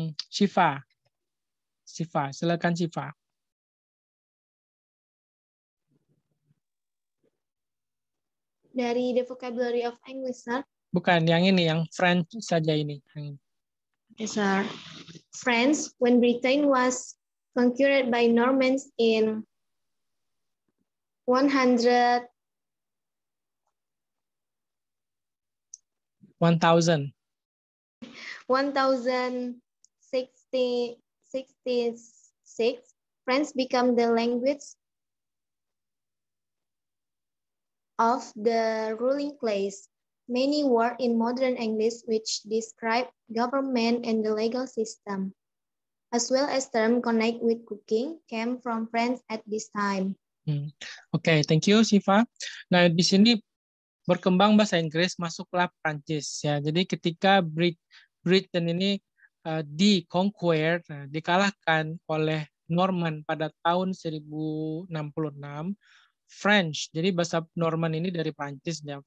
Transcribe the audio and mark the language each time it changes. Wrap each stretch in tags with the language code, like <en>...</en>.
<id>Shifa. Shifa, silakan Shifa. Dari</id> <en>the vocabulary of English, sir?</en> <id>Bukan, yang ini, yang French saja ini.</id> <en>Yes, sir. France, when Britain was conquered by Normans in 1066, France became the language of the ruling class. Many words in modern English which describe government and the legal system, as well as term connect with cooking, came from France at this time. Okay, thank you, Shifa.</en> <id>Nah, di sini berkembang bahasa Inggris, masuklah Prancis. Ya. Jadi ketika Britain ini di-conquered, dikalahkan oleh Norman pada tahun 1066, French, jadi bahasa Norman ini dari Prancis, ya.</id>